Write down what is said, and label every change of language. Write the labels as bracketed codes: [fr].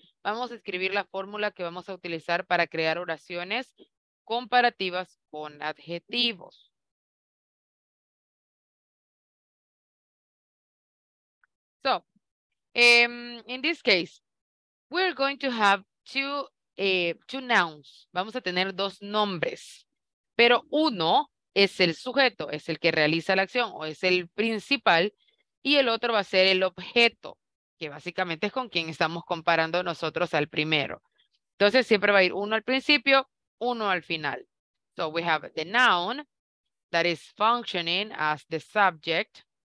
[es] Vamos a escribir la fórmula que vamos a utilizar para crear oraciones comparativas con adjetivos. [en] So in this case, we're going to have two nouns. [es] Vamos a tener dos nombres, pero uno es el sujeto, es el que realiza la acción o es el principal, y el otro va a ser el objeto, que básicamente es con quien estamos comparando nosotros al primero. Entonces siempre va a ir uno al principio, uno al final. [en] So we have the noun that is functioning as the subject.